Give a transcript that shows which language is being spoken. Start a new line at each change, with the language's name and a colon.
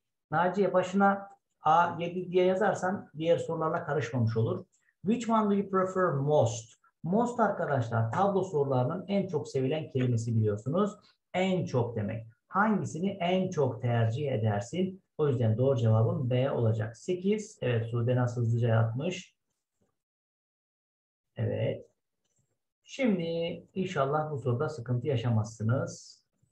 Turkish: Naciye, başına A 7 diye yazarsan diğer sorularla karışmamış olur.
English: Which one do you prefer most?
Turkish: Most arkadaşlar tablo sorularının en çok sevilen kelimesi biliyorsunuz. En çok demek. Hangisini en çok tercih edersin? O yüzden doğru cevabım B olacak. 8. Evet, Sude nasıl hızlıca yapmış? Evet. Şimdi inşallah bu soruda sıkıntı yaşamazsınız.